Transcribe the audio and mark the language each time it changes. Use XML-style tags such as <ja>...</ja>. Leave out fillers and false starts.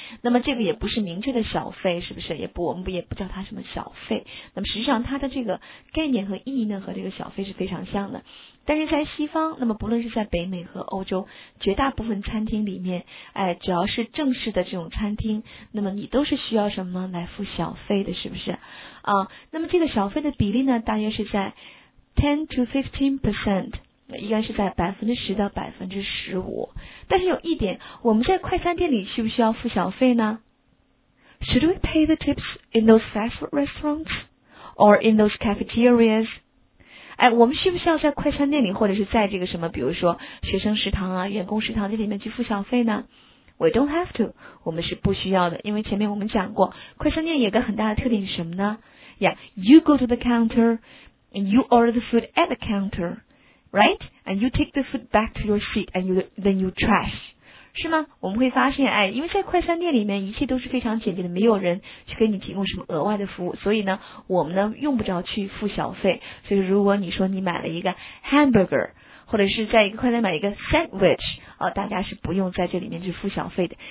<zh>那么这个也不是明确的小费，是不是也不，我们也不叫它什么小费，那么实际上它的这个概念和意义呢和这个小费是非常像的，但是在西方，那么不论是在北美和欧洲，绝大部分餐厅里面只要是正式的这种餐厅，那么你都是需要什么来付小费的，是不是啊？那么这个小费的比例呢大约是在 10-15%，应该是在10%-15%，但是有一点，我们在快餐店里需不需要付小费呢？</zh> <en>Should we pay the tips in those fast food restaurants or in those cafeterias？</en> <zh>我们需不需要在快餐店里或者是在这个什么，比如说学生食堂啊、员工食堂这里面去付小费呢？</zh> <en>We don't have to，</en> <zh>我们是不需要的，因为前面我们讲过，快餐店有个很大的特点是什么呢？</zh> <en>Yeah， you go to the counter and you order the food at the counter。 Right? And you take the food back to your seat and then you trash.</en> <zh>是吗？我们会发现因为在快餐店里面一切都是非常简洁的，没有人去给你提供什么额外的服务，所以呢我们呢用不着去付小费。所以如果你说你买了一个 hamburger, 或者是在一个快餐买一个 sandwich, 大家是不用在这里面去付小费的。</zh>